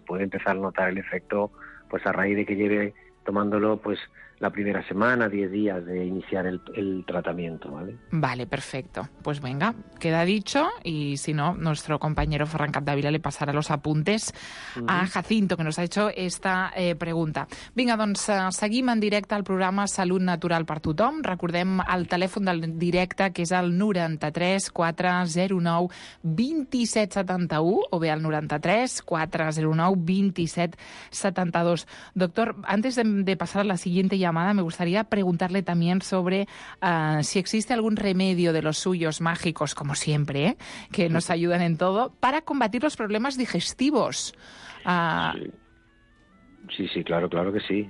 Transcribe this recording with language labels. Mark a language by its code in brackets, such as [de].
[es] Puede empezar a notar el efecto pues a raíz de que lleve tomándolo pues la primera semana, 10 días de iniciar el tratamiento, ¿vale? Vale, perfecto. Pues venga, queda dicho, y si no, nuestro compañero Ferran Capdevila le pasará los apuntes a Jacinto, que nos ha hecho esta pregunta. [ca] Vinga, doncs seguim en directe al programa Salut Natural per Tothom. Recordem el telèfon del directe, que és el 93-409-2771, o bé el 93-409-2772. [es] Doctor, antes de pasar a la siguiente llamada, me gustaría preguntarle también sobre si existe algún remedio de los suyos mágicos, como siempre, que nos ayudan en todo, para combatir los problemas digestivos. Sí, claro, claro que sí.